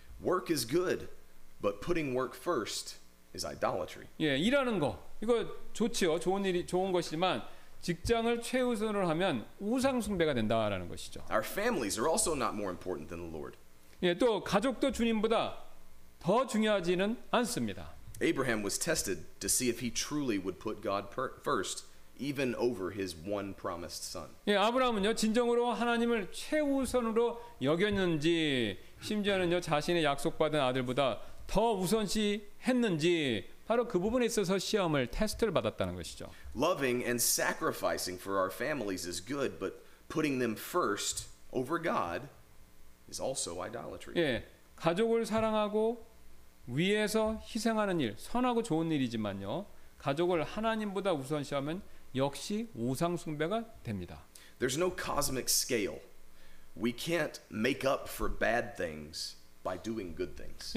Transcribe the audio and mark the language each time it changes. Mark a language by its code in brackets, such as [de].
[en] Work is good, but putting work first is idolatry. [ko] 예, 일하는 거 이거 좋지요, 좋은 일이 좋은 것이지만 직장을 최우선으로 하면 우상 숭배가 된다라는 것이죠. [en] Our families are also not more important than the Lord. [ko] 예, 또 가족도 주님보다 더 중요하지는 않습니다. [en] Abraham was tested to see if he truly would put God first, even over his one promised son. [ko] 예, 아브라함은요 진정으로 하나님을 최우선으로 여겼는지, 심지어는요 자신의 약속받은 아들보다 더 우선시했는지 바로 그 부분에 있어서 시험을 테스트를 받았다는 것이죠. [en] Loving and sacrificing for our families is good, but putting them first over God is also idolatry. [ko] 예, 가족을 사랑하고 위에서 희생하는 일 선하고 좋은 일이지만요 가족을 하나님보다 우선시하면 역시 우상 숭배가 됩니다. [en] There's no cosmic scale. We can't make up for bad things by doing good things.